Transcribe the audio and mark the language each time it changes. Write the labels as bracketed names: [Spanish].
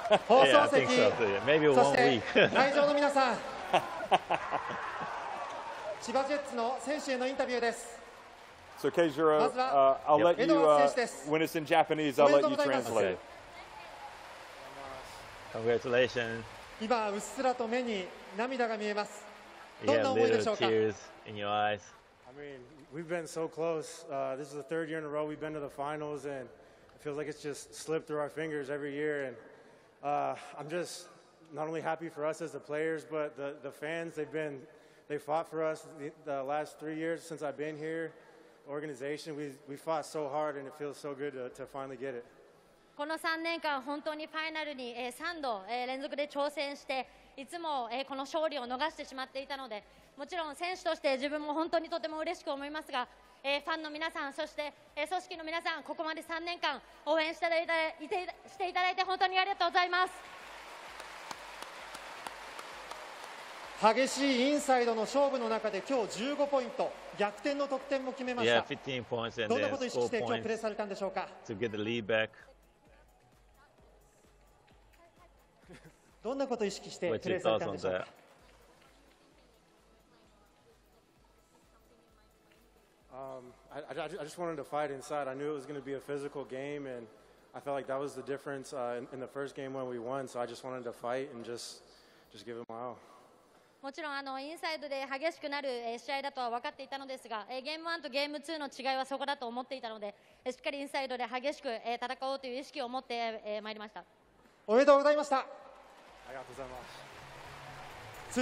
[English] Yeah, I think so. Maybe one week. And the Chiba Jets interview. So, Keijiro, I'll let you, when it's in Japanese, I'll let you translate. Congratulations. [Japanese] 今うっすらと目に涙が見えます。どんな思いでしょうか? [English] Tears in your eyes. I mean, we've been so close. This is the third year in a row we've been to the finals, and it feels like it's just slipped through our fingers every year. And I'm just not only happy for us as the players, but the fans. They fought for us the last 3 years since I've been here. Organization, we fought so hard, and it feels so good to finally get it. [Japanese] この3年間本当にファイナルに3度連続で挑戦して、いつもこの勝利を逃してしまっていたので、もちろん選手として自分も本当にとても嬉しく思いますが、ファンの皆さん、そして組織の皆さん、ここまで3年間応援していただいて本当にありがとうございます。激しいインサイドの勝負の中で今日15ポイント、逆転の得点も決めました。 [English] yeah, 15 points and [Japanese] どんなことを意識して今日プレーされたんでしょうか。 [English] to get the lead back [Japanese] どんなことを意識してプレーされたんでしょうか。 [English] I just wanted to fight inside. I knew it was going to be a physical game, and I felt like that was the difference in the first game when we won. So I just wanted to fight and just give it my all. [Japanese] もちろんインサイドで激しくなる試合だとは分かっていたのですが、ゲーム1とゲーム2の違いはそこだと思っていたので、しっかりインサイドで激しく戦おうという意識を持ってまいりました。おめでとうございました。ありがとうございます